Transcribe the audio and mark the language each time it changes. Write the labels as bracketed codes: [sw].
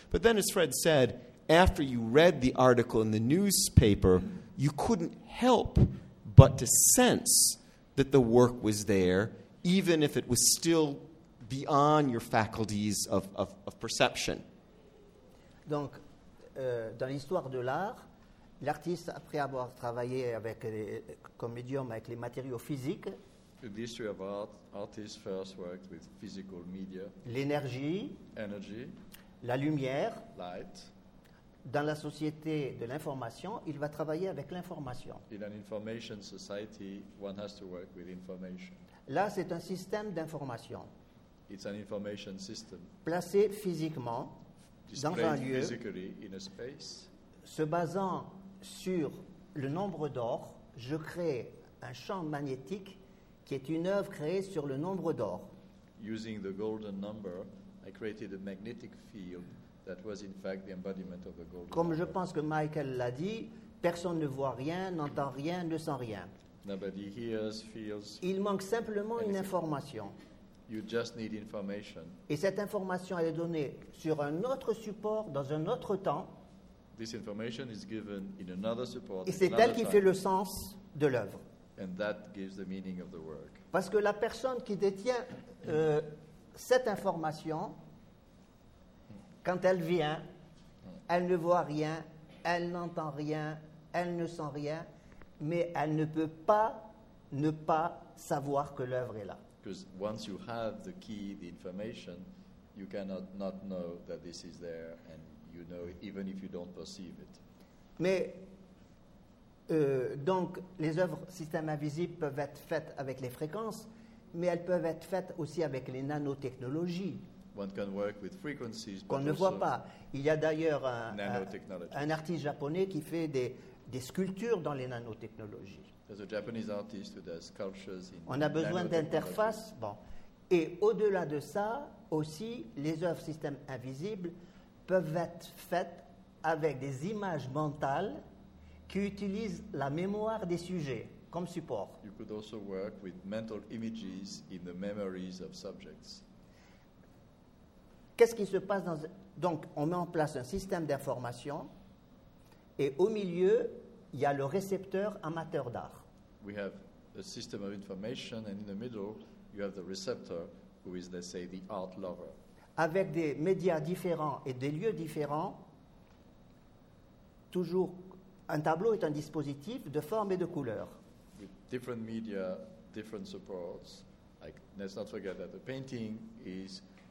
[en] But then, as Fred said, after you read the article in the newspaper, you couldn't help but to sense that the work was there, even if it was still beyond your faculties of perception. [fr] Donc, dans l'histoire de l'art, l'artiste, après avoir travaillé avec les, comme médium avec les matériaux physiques, [en] in the history of art, artists first worked with physical media, [fr] l'énergie, [en] energy, [fr] la lumière, [en] light. [fr] Dans la société de l'information, il va travailler avec l'information. [en] In an information society, one has to work with information. [fr] Là, c'est un système d'information. [en] It's an information system. [fr] Placé physiquement [en] displayed [fr] dans un lieu, [en] physically in a space. [fr] Se basant sur le nombre d'or, je crée un champ magnétique qui est une œuvre créée sur le nombre d'or. [en] Using the golden number, I created a magnetic field that was in fact the embodiment of the golden [fr] comme [en] number. [fr] Je pense que Michael l'a dit, personne ne voit rien, n'entend rien, ne sent rien. [en] Nobody hears, feels. [fr] Il manque simplement [en] anything. [fr] Une information. [en] You just need information. [fr] Et cette information elle est donnée sur un autre support dans un autre temps. [en] This information is given in another support. [fr] Et c'est elle qui [en] time. [fr] Fait le sens de l'œuvre. [en] And that gives the meaning of the work. [fr] Parce que la personne qui détient cette information, quand elle vient, elle ne voit rien, elle n'entend rien, elle ne sent rien, mais elle ne peut pas ne pas savoir que l'œuvre est là. [en] Because once you have the key, the information, you cannot not know that this is there, and you know it, even if you don't perceive it. [fr] Mais donc, les œuvres système invisible peuvent être faites avec les fréquences, mais elles peuvent être faites aussi avec les nanotechnologies. [en] One can work with frequencies, [fr] qu'on ne voit pas. Il y a d'ailleurs un artiste japonais qui fait des sculptures dans les nanotechnologies. [en] There's a Japanese artist who does sculptures in [fr] on a besoin d'interfaces. Bon. Et au-delà de ça, aussi, les œuvres système invisible peuvent être faites avec des images mentales qui utilise la mémoire des sujets comme support. [en] You could also work with mental images in the memories of subjects. [fr] Qu'est-ce qui se passe dans donc on met en place un système d'information et au milieu il y a le récepteur amateur d'art. [en] We have a system of information and in the middle you have the receptor who is let's say the art lover. [fr] Avec des médias différents et des lieux différents toujours. Un tableau est un dispositif de forme et de couleur. [en] With different media, different supports. Like, let's not forget that the painting is.